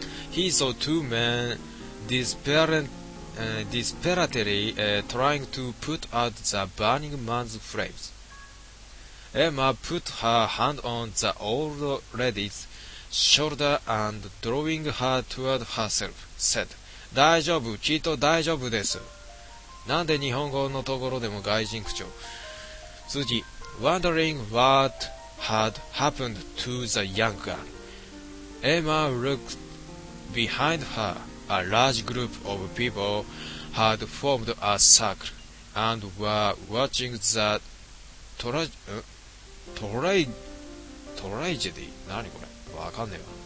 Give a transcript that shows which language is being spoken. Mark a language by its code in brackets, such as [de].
[en] He saw two men desperately trying to put out the burning man's flames. Emma put her hand on the old lady's shoulder and drawing her toward herself, said, [ja] 大丈夫、きっと大丈夫です。なんで日本語のところでも外人口調。 [en] 続き、Wondering what had happened to the young girl, Emma looked behind her. A large group of people had formed a circle, and were watching the tragedy. [ja] 何これ?わかんねえわ。